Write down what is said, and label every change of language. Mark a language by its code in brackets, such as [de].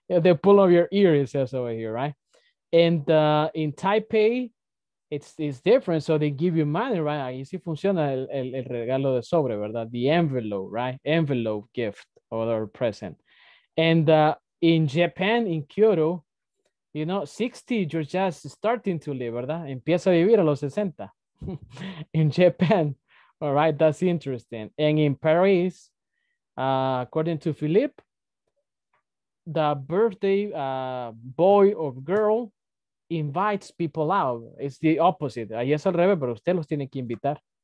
[en] The pull of your ear is just over here, right? And in Taipei, it's different. So they give you money, right? [es] Ahí sí funciona el regalo de sobre, ¿verdad? [en] The envelope, right? Envelope gift or their present. And in Japan, in Kyoto, you know, 60, you're just starting to live, ¿verdad? [es] Empieza a vivir a los 60 in Japan. [en] All right, that's interesting. And in Paris, according to Philippe, the birthday boy or girl invites people out. It's the opposite. [es] Ahí es al revés, pero usted los tiene que invitar.